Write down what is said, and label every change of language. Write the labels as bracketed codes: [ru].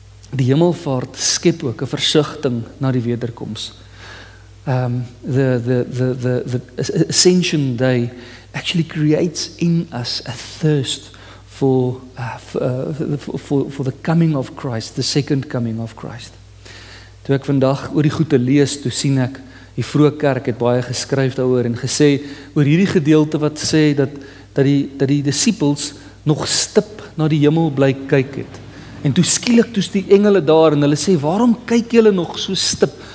[af] Die hemelvaart skep ook 'n versigtiging na die wederkoms. [en] The Ascension Day actually creates in us a thirst for the coming of Christ, the second coming of Christ. [af] Toe ek vandag oor die goede lees, toe sien ek, die vroeë kerk het baie geskryf daaroor en gesê, oor hierdie gedeelte wat sê, dat die disciples nog stip na die hemel bly kyk het. En toe skielik toes die engele daar en hulle sê, waarom kyk julle nog so stip?